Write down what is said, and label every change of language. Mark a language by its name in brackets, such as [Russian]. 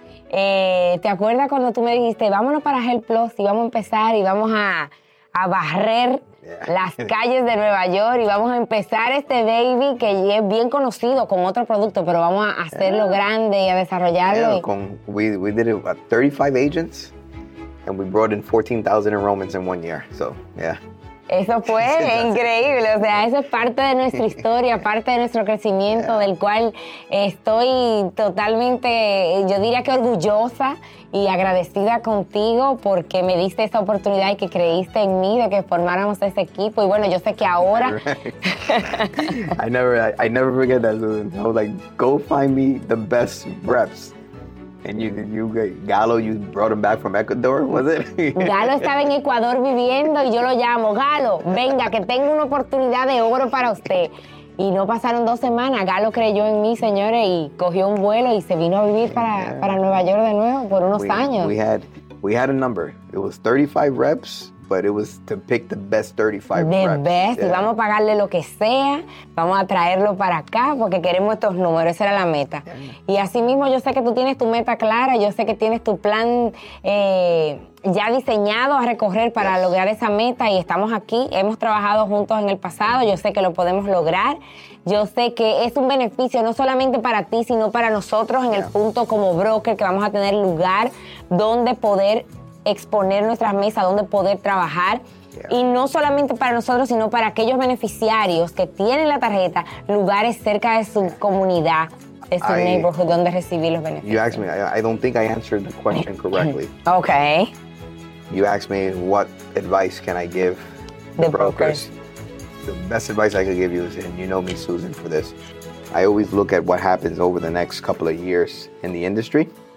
[Spanish] ¿Te acuerdas cuando tú me dijiste, vámonos para Help Plus y vamos a empezar y vamos a barrer las calles de Nueva York y vamos a empezar este baby que es bien conocido con otro producto, pero vamos a hacerlo grande y a desarrollarlo. [English] Yeah, we did it about 35 agents and we brought in 14,000 enrollments in 1 year. So, yeah. [Spanish] Eso fue increíble. O sea, eso es parte de nuestra historia, parte de nuestro crecimiento, del cual estoy totalmente, yo diría que orgullosa y agradecida contigo porque me diste esa oportunidad y que creíste en mí de que formáramos ese equipo. Y bueno, yo sé que ahora... [English] I never forget that, Susan. I was like, go find me the best reps. And you Galo, you brought him back from Ecuador, was it? [Spanish] Galo estaba en Ecuador viviendo y yo lo llamo, Galo, venga, que tengo una oportunidad de oro para usted. Y no pasaron 2 semanas, Galo creyó en mí, señores, y cogió un vuelo y se vino a vivir para Nueva York de nuevo por unos años. [English] We had a number. It was 35 reps. But it was to pick the best 35 the reps. The best. [Spanish] Yeah. Y vamos a pagarle lo que sea. Vamos a traerlo para acá porque queremos estos números. Esa era la meta. Yeah. Y así mismo yo sé que tú tienes tu meta clara. Yo sé que tienes tu plan ya diseñado a recorrer para lograr esa meta. Y estamos aquí. Hemos trabajado juntos en el pasado. Yo sé que lo podemos lograr. Yo sé que es un beneficio no solamente para ti, sino para nosotros en el punto como broker que vamos a tener lugar donde poder exponer nuestras mesas, donde poder trabajar. Y no solamente para nosotros, sino para aquellos beneficiarios que tienen la tarjeta, lugares cerca de su comunidad, de su neighborhood, donde recibir los beneficios. [English] You asked me, I don't think I answered the question correctly. Okay. You asked me, what advice can I give the brokers? The best advice I could give you is, and you know me, Susan, for this, I always look at what happens over the next couple of years in the industry.